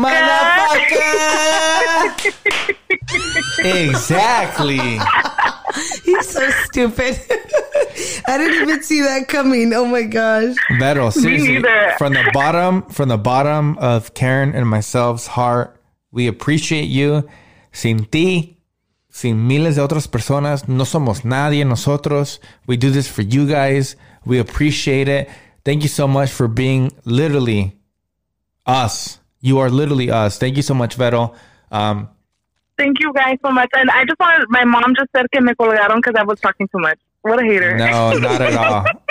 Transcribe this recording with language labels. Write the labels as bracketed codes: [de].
[en] Motherfucker. Exactly. He's so stupid. I didn't even see that coming. Oh my gosh. Beto, seriously, from the bottom of Karen and myself's heart, we appreciate you. [es] Sin ti, sin miles de otras personas, no somos nadie nosotros. [en] We do this for you guys. We appreciate it. Thank you so much for being literally us. You are literally us. Thank you so much, Vero. Thank you guys so much. And I just wanted, my mom just said [es] que me colgaron [en] because I was talking too much. What a hater. No, not at all.